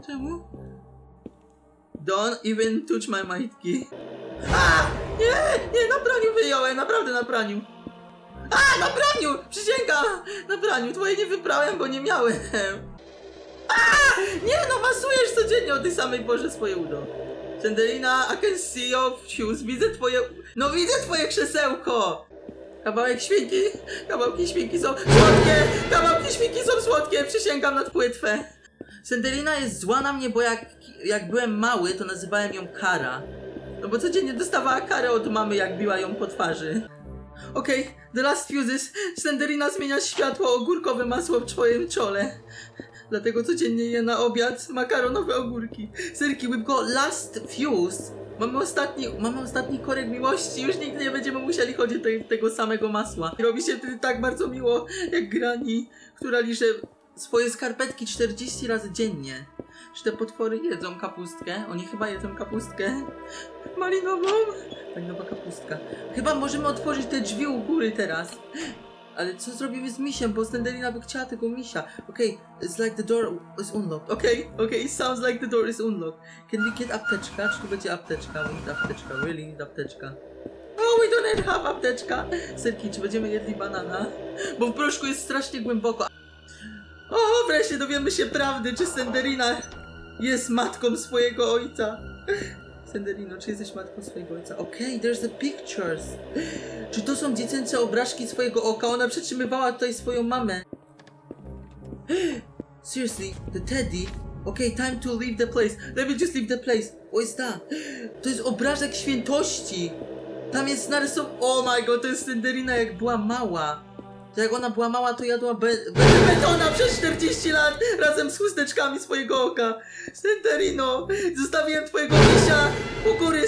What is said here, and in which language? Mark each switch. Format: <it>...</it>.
<pl>Czemu?</pl> <en>Don't even touch my majtki. Nie!</en> <pl>Nie, na praniu wyjąłem. Naprawdę na praniu. Na praniu! Przysięga! Na praniu. Twoje nie wybrałem, bo nie miałem. Nie, no masujesz codziennie o tej samej porze swoje udo.</pl> <en>Slenderina, I can see your shoes.</en> <pl>Widzę twoje... No widzę twoje krzesełko! Kawałek świnki, kawałki świnki są słodkie, kawałki świnki są słodkie, przysięgam na płytwę. Slenderina jest zła na mnie, bo jak byłem mały, to nazywałem ją Kara. No bo codziennie dostawała karę od mamy, jak biła ją po twarzy. Okej,</pl> <en>okay, the last fuses.</en> <pl>Slenderina zmienia światło ogórkowe masło w twoim czole. Dlatego codziennie je na obiad makaronowe ogórki.</pl> <en>Serki, we've got last fuse.</en> <pl>Mamy ostatni korek miłości. Już nigdy nie będziemy musieli chodzić do tego samego masła. Robi się wtedy tak bardzo miło, jak Granny, która liże swoje skarpetki 40 razy dziennie. Czy te potwory jedzą kapustkę? Oni chyba jedzą kapustkę malinową. Malinowa kapustka. Chyba możemy otworzyć te drzwi u góry teraz. Ale co zrobimy z misiem? Bo Slenderina by chciała tego misia.</pl> <en>Okej, okay, it's like the door is unlocked. Okej, it sounds like the door is unlocked. Can we get apteczka?</en> <pl>Czy tu będzie apteczka?</pl> <en>We need apteczka, really need apteczka. Oh, we don't don't have apteczka.</en> <pl>Serki, czy będziemy jedli banana? Bo w proszku jest strasznie głęboko. O, wreszcie dowiemy się prawdy, czy Senderina jest matką swojego ojca. Senderino, czy jesteś matką swojego ojca?</pl> <en>Okej, there's the pictures.</en> <pl>Czy to są dziecięce obrazki swojego oka? Ona przetrzymywała tutaj swoją mamę.</pl> <en>Seriously, the teddy? Okej, time to leave the place. Let me just leave the place. What is that?</en> <pl>To jest obrazek świętości. Tam jest narysowany.</pl> <en>Oh my god,</en> <pl>to jest Senderina jak była mała. To jak ona była mała, to jadła betona przez 40 lat razem z chusteczkami swojego oka. Senderino, zostawiłem twojego misia u góry.</pl>